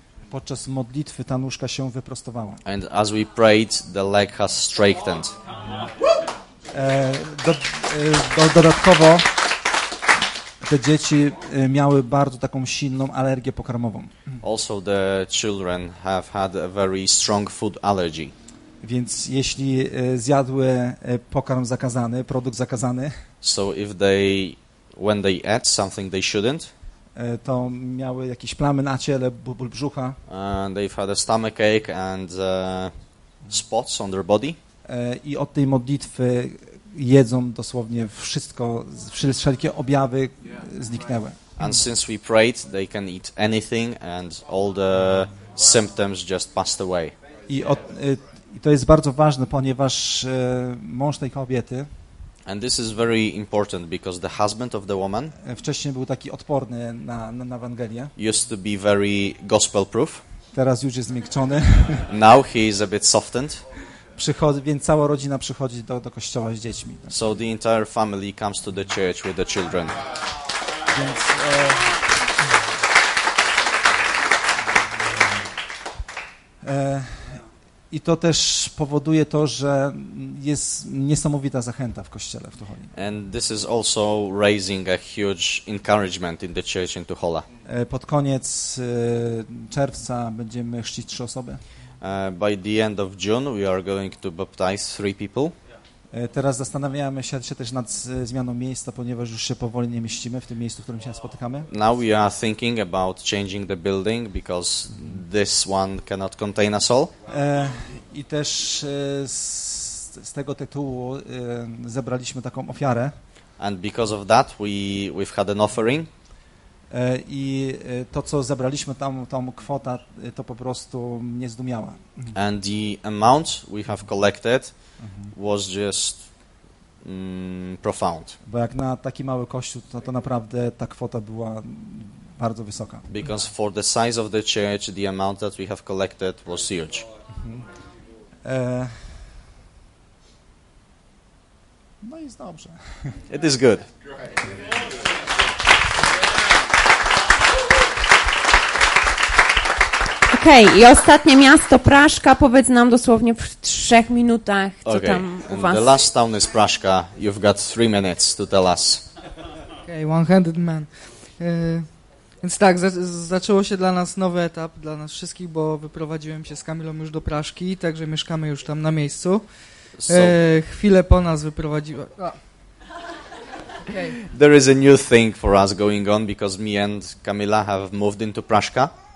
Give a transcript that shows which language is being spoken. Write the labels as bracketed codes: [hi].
[pl] Podczas modlitwy ta nóżka się wyprostowała. [en] And as we prayed, the leg has straightened. [pl] Dodatkowo te dzieci miały bardzo taką silną alergię pokarmową. [en] Also the children have had a very strong food allergy. [pl] Więc jeśli zjadły pokarm zakazany, produkt zakazany, [en] so if they, when they ate something they shouldn't, [pl] to miały jakieś plamy na ciele, ból brzucha. [en] And they've had a stomachache and spots on their body. [pl] I od tej modlitwy jedzą dosłownie wszystko, wszelkie objawy zniknęły. [en] And since we prayed, they can eat anything and all the symptoms just passed away. [pl] I to jest bardzo ważne, ponieważ mąż tej kobiety. [en] And this is very important because the husband of the woman [pl] wcześniej był taki odporny na Ewangelię. [en] Used to be very gospel proof. [pl] Teraz już jest zmiękczony. [en] Now he is a bit softened. [pl] Więc cała rodzina przychodzi do kościoła z dziećmi. Tak? [en] So the entire family comes to the church with the children. [pl] Więc i to też powoduje to, że jest niesamowita zachęta w kościele w Tuchola. [en] And this is also raising a huge encouragement in the church in Tuchola. [pl] Pod koniec czerwca będziemy chrzcić 3 osoby. [en] By the end of June we are going to baptize 3 people. [pl] Teraz zastanawiamy się też nad zmianą miejsca, ponieważ już się powoli nie mieścimy w tym miejscu, w którym się spotykamy. [en] Now we are thinking about changing the building because this one cannot contain us all. [pl] I też z tego tytułu zebraliśmy taką ofiarę. [en] And because of that we've had an offering. [pl] I to, co zebraliśmy tam, tą kwota, to po prostu mnie zdumiała. [en] And the amount we have collected was just profound. [pl] Bo jak na taki mały kościół, to naprawdę ta kwota była bardzo wysoka. [en] Because for the size of the church, the amount that we have collected was huge. [pl] No jest dobrze. [en] It is good. [pl] Okej, i ostatnie miasto, Praszka, powiedz nam dosłownie w 3 minutach, co okay. tam u was. [en] The last town is Praszka, you've got 3 minutes to tell us. Okej, okay, one-handed man. [pl] Więc tak, zaczęło się dla nas nowy etap, dla nas wszystkich, bo wyprowadziłem się z Kamilą już do Praszki, także mieszkamy już tam na miejscu. Chwilę po nas wyprowadziła. [en] There is a new thing for us going on, because me and Kamila have moved into Praszka.